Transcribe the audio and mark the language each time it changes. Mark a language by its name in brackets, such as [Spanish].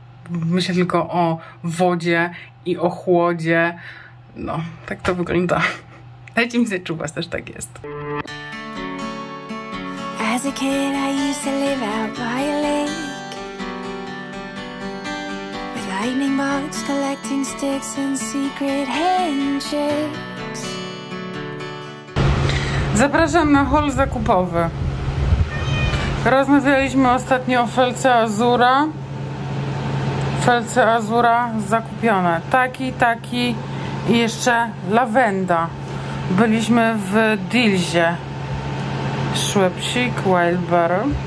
[Polish] Myślę tylko o wodzie i o chłodzie, no tak to wygląda. Dajcie mi znać, czy u was też tak jest. [English] As a kid, I used to live out by a lake, with lightning bugs collecting sticks and secret handshakes. [Polish] Zapraszam na hol zakupowy. Rozmawialiśmy ostatnio o felce Azura. Felce Azura zakupione. Taki i jeszcze lawenda. Byliśmy w Dilzie. Szłepsik, Wildberry.